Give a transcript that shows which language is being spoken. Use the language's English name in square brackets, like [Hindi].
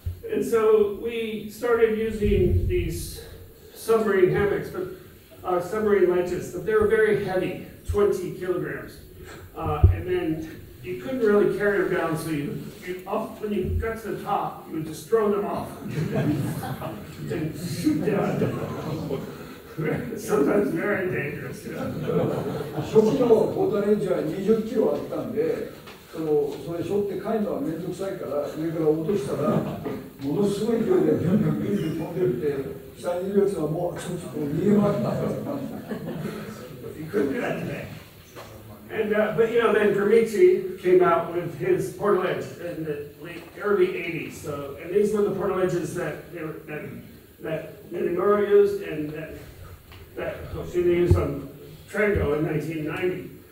[English] And so we started using these submarine hammocks, but submarine ledges, but they were very heavy, 20 kilograms. And then you couldn't really carry them down, so when you got to the top, you would just throw them off and shoot down. Sometimes very dangerous. [Japanese] 初期のポータレンジは20キロあったんで、それ背負って帰るのは面倒くさいから、上から落としたら、ものすごい勢いでビュンビュンビュンビュン飛んでるって、下にいるやつはもうちょっと見えまくった。 [English] You couldn't do that today. But you know, then Gramici came out with his portal edge in the late early 80s. So, and these were the portal edges that Minamura used and that Hoshino used on Trango in 1990.